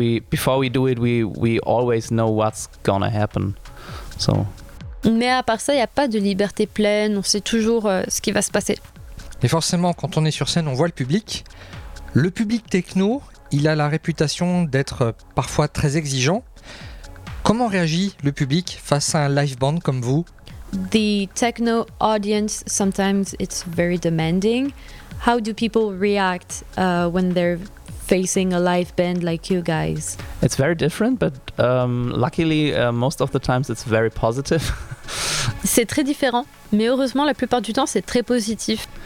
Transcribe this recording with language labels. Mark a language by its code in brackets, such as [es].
[en] Before we do it, we always know what's gonna happen. So. [fr] Mais à part ça, il y a pas de liberté pleine. On sait toujours ce qui va se passer. Et forcément, quand on est sur scène, on voit le public. Le public techno, il a la réputation d'être parfois très exigeant. Comment réagit le public face à un live band comme vous? [en] The techno audience, sometimes it's very demanding. How do people react when they're facing a live band like you guys? It's very different, but luckily, most of the times it's very positive. [fr] C'est très différent, mais heureusement, la plupart du temps, c'est très positif.